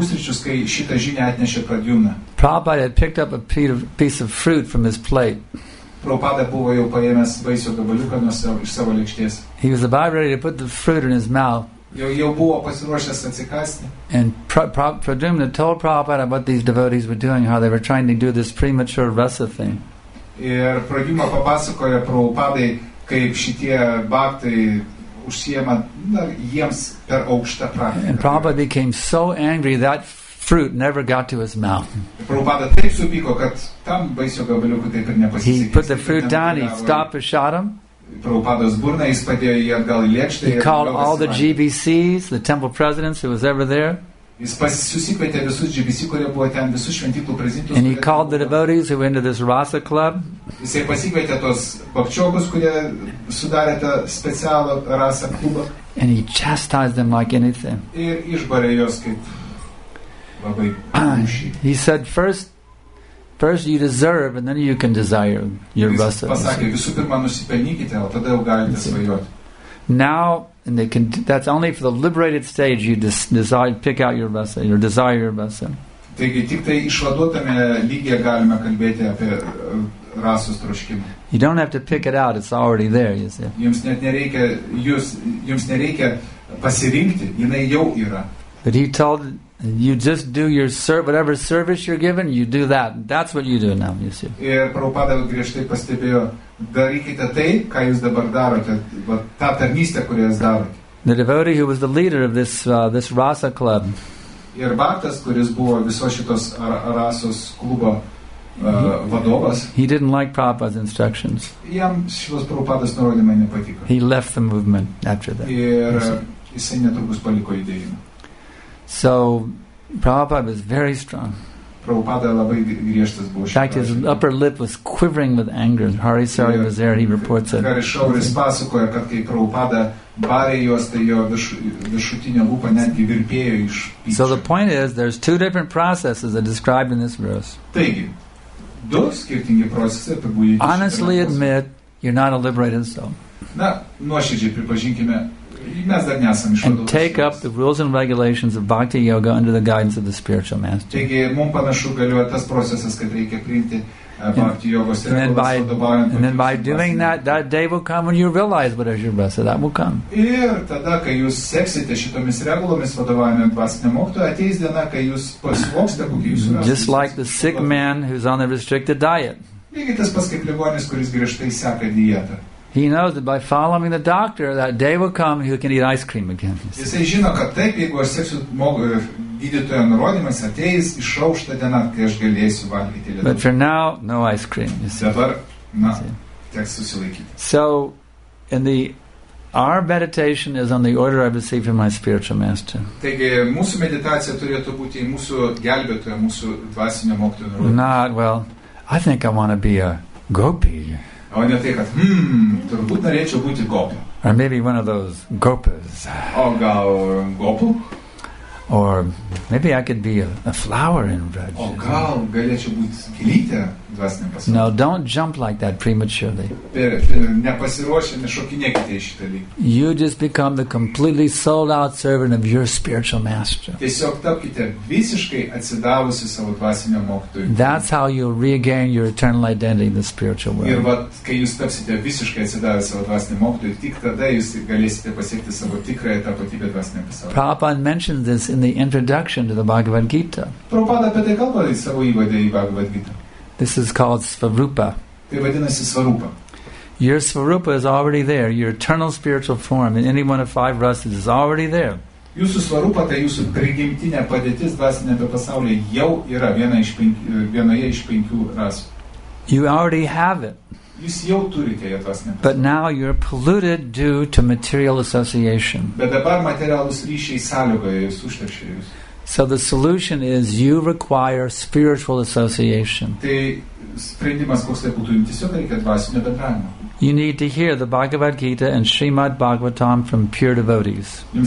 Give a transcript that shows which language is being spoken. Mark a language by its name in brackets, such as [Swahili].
[English] Prabhupada had picked up a piece of fruit from his plate. He was about ready to put the fruit in his mouth. And Pradyumna told Prabhupada what these devotees were doing, how they were trying to do this premature rasa thing. [Lithuanian] Ir pradžiumą papasakoja Prabhupadai, kaip šitie baktai užsiema na, jiems per aukštą praktiką. [English] And Prabhupada became so angry that fruit never got to his mouth. [Lithuanian] Prabhupada taip supyko, kad tam baisio gabaliukų taip ir nepasisekė. [English] He put the fruit down, he stopped and shot him. [Lithuanian] Prabhupadas burna, jis padėjo jį atgal į lėkštę. [English] He called all the GBCs, the temple presidents who was ever there. [Lithuanian] Jis susikvietė visus GBC, kurie buvo ten, visus šventyklų prezidentus. [English] And he called the devotees who went to this Rasa club. [Lithuanian] Jis pasikvietė tos bakčiogus, kurie sudarė tą specialą Rasa klubą. [English] And he chastised them like anything. [Lithuanian] Ir išbarė jos kaip labai mušį. [English] He said, first you deserve and then you can desire your Rasa. [Lithuanian] Jis pasakė, visų pirma nusipelnykite, o tada jau galite svajoti. [English] Now, and they can, that's only for the liberated stage you decide, pick out your rasa, your desire your rasa. [Lithuanian] Taigi, tik tai išvaduotame lygyje galime kalbėti apie rasos troškimą. [English] You don't have to pick it out, it's already there, you see. [Lithuanian] Jums net nereikia, jums nereikia pasirinkti, jinai jau yra. [English] But he told, you just do your whatever service you're given, you do that. That's what you do now, you see. [Lithuanian] Ir Prabhupada griežtai pastebėjo, darykite tai, ką jūs dabar darote, tą tarnystę, kurią jūs darote. [English] The devotee who was the leader of this Rasa club. [Lithuanian] Ir baktas, kuris buvo visos šitos rasos klubo vadovas. [English] He didn't like Prabhupada's instructions. [Lithuanian] Jam šios Prabhupadas nurodymai nepatiko. [English] He left the movement after that. [Lithuanian] Ir jisai netrukus paliko judėjimą. [English] So, Prabhupada was very strong. [Lithuanian] Prabhupada labai griežtas buvo. [English] In fact, his upper lip was quivering with anger. Hari Sari was there, he reports it. [Lithuanian] Hari Sari pasakoja, kad kai Prabhupada barė juos, tai jo viršutinė lūpa netgi virpėjo iš pykčio. [English] So the point is, there's two different processes that are described in this verse. [Lithuanian] Taigi, du skirtingi procesai apibūdinti. [English] Honestly admit, you're not a liberated soul. [Lithuanian] Na, nuoširdžiai pripažinkime, mes dar nesam išvaduoti. [English] Take up the rules and regulations of bhakti yoga under the guidance of the spiritual master. [Lithuanian] Taigi, mums panašu galioja tas procesas, kad reikia priimti [English] And then by doing that, that day will come when you realize what is your rasa, that will come. [Lithuanian] Ir tada, kai jūs seksite šitomis regulomis vadovavimo dvasiniam mokytojui, ateis diena, kai jūs pasvoksite, kokį jūs rasa. [English] Just like the sick man who's on a restricted diet. [Lithuanian] Lygiai tas pats kaip ligonis, kuris griežtai seka dietą. [English] He knows that by following the doctor, that day will come he can eat ice cream again. [Lithuanian] Jisai žino, kad taip, jeigu aš seksiu gydytojo nurodymas, ateis išaušta diena, kai aš galėsiu valgyti ledus. [English] But for now, no ice cream. [Lithuanian] Dabar, na, teks susilaikyti. [English] So, in the, our meditation is on the order I receive from my spiritual master. [Lithuanian] Taigi, mūsų meditacija turėtų būti mūsų gelbėtoja, mūsų dvasinio mokytojo nurodymas. [English] Not, well, I think I want to be a gopi. [Lithuanian] O ne tai, kad, turbūt norėčiau būti gopi. [English] Or maybe one of those gopas. [Lithuanian] O gal gopu? [English] Or maybe I could be a flower in red. [Lithuanian] O gal galėčiau būti gėlytė dvasiniam pasaulyje. [English] No, don't jump like that prematurely. [Lithuanian] Nepasiruošę, nešokinėkite į šitą lygį. [English] You just become the completely sold out servant of your spiritual master. [Lithuanian] Tiesiog tapkite visiškai atsidavusi savo dvasiniam mokytojui. [English] That's how you regain your eternal identity in the spiritual world. [Lithuanian] Ir vat, kai jūs tapsite visiškai atsidavę savo dvasiniam mokytojui, tik tada jūs galėsite pasiekti savo tikrąją tapatybę dvasiniam pasaulyje. [English] Prabhupada mentions this in the introduction to the Bhagavad Gita. [Lithuanian] Prabhupada apie tai kalba savo įvade į Bhagavad Gita. [English] This is called svarupa. [Lithuanian] Tai vadinasi svarupa. [English] Your svarupa is already there. Your eternal spiritual form in any one of five rasas is already there. [Lithuanian] Jūsų svarupa, tai jūsų prigimtinė padėtis dvasiniame pasaulyje jau yra vienoje iš penkių rasų. [English] You already have it. [Lithuanian] Jūs jau turite ją dvasiniame pasaulyje. [English] But now you're polluted due to material association. [Lithuanian] Bet dabar materialus ryšiai sąlygoja jūs, užteršia jūs. [English] So the solution is you require spiritual association. You need to hear the Bhagavad Gita and Srimad Bhagavatam from pure devotees.